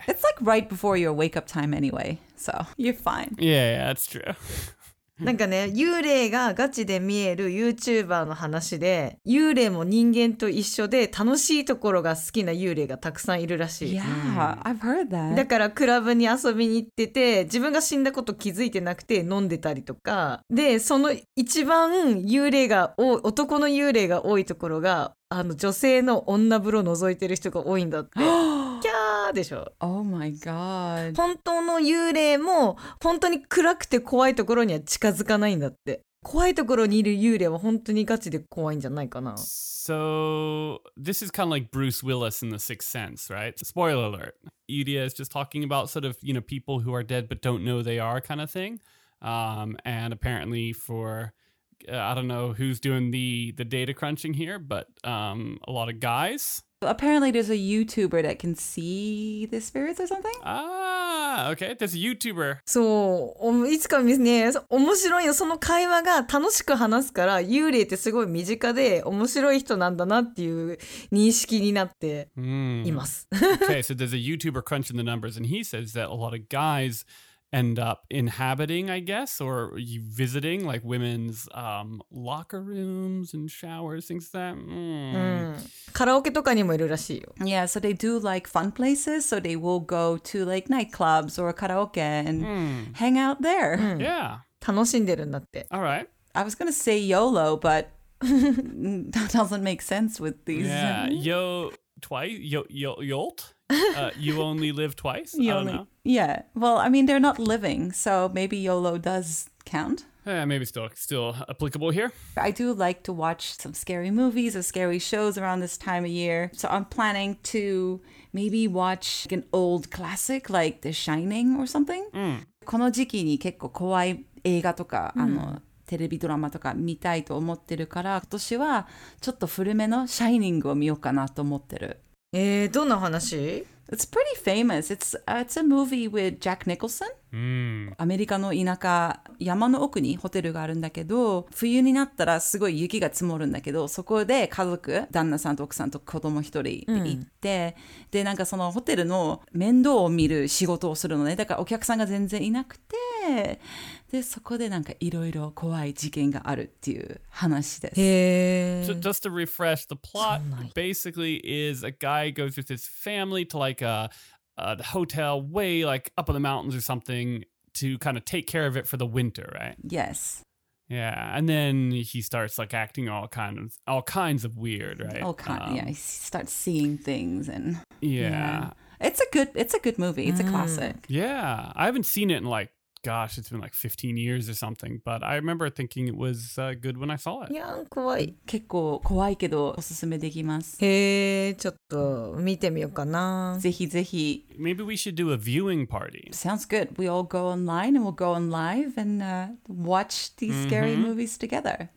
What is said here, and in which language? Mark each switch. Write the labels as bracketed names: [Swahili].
[English] It's like right before your wake-up time anyway, so you're fine. Yeah, that's true. [Japanese] なんかね、幽霊がガチで見える YouTuber の話で、幽霊も人間と一緒で楽しいところが好きな幽霊がたくさんいるらしい。 [English] Yeah, I've heard that. [Japanese] だからクラブに遊びに行ってて、自分が死んだこと気づいてなくて飲んでたりとか、で、その一番幽霊が多い、男の幽霊が多いところが、あの女性の女風呂を覗いてる人が多いんだって。でしょ。 [English] Oh my god. [Japanese] 本当の幽霊も本当に暗くて怖いところには近づかないんだって。怖いところにいる幽霊は本当にガチで怖いんじゃないかな。 [English] So this is kind of like Bruce Willis in The Sixth Sense, right? Spoiler alert. Yuria is just talking about sort of, you know, people who are dead but don't know they are kind of thing. And apparently for... I don't know who's doing the data crunching here, but a lot of guys. Apparently there's a YouTuber that can see the spirits or something. Ah, okay, there's a YouTuber. [Japanese] そう、いつか見ね、面白いよ、その会話が楽しく話すから、幽霊ってすごい身近で面白い人なんだなっていう認識になっています。 [English] Okay, so there's a YouTuber crunching the numbers, and he says that a lot of guys... end up inhabiting, I guess, or you visiting like women's locker rooms and showers, things like that. [Japanese] Karaoke とかにもいるらしいよ。 [English] Yeah, so they do like fun places, so they will go to like nightclubs or karaoke and hang out there. Yeah. [Japanese] 楽しんでるんだって。 [English] All right. I was going to say YOLO, but that doesn't make sense with these. Yeah, yo, twice, yo, yo, yolt? You only live twice? I don't know. Yeah, well, I mean, they're not living, so maybe YOLO does count. Yeah, maybe still applicable here. I do like to watch some scary movies or scary shows around this time of year. So I'm planning to maybe watch like an old classic like The Shining or something. [Japanese] この時期に結構怖い映画とか、あの、テレビドラマとか見たいと思ってるから、今年はちょっと古めの Shining を見ようかなと思ってる。どんな話？ [English] It's pretty famous. It's a movie with Jack Nicholson. [Japanese] アメリカの田舎、山の奥にホテルがあるんだけど、冬になったらすごい雪が積もるんだけど、そこで家族、旦那さんと奥さんと子供一人で行って、で、なんかそのホテルの面倒を見る仕事をするのね。だからお客さんが全然いなくて、で、そこでなんかいろいろ怖い事件があるっていう話です。へぇ。 [English] So just to refresh, the plot basically is a guy goes with his family to like the hotel way like up in the mountains or something to kind of take care of it for the winter, right? Yes. Yeah, and then he starts like acting all kinds of weird, right? He starts seeing things and... Yeah. It's a good movie. It's a classic. Yeah, I haven't seen it in like... Gosh, it's been like 15 years or something, but I remember thinking it was good when I saw it. Yeah, [Japanese] 怖い。結構怖いけどおすすめできます。へえ、ちょっと見てみようかな。ぜひぜひ。 [English] Maybe we should do a viewing party. Sounds good. We all go online and we'll go on live and watch these scary movies together.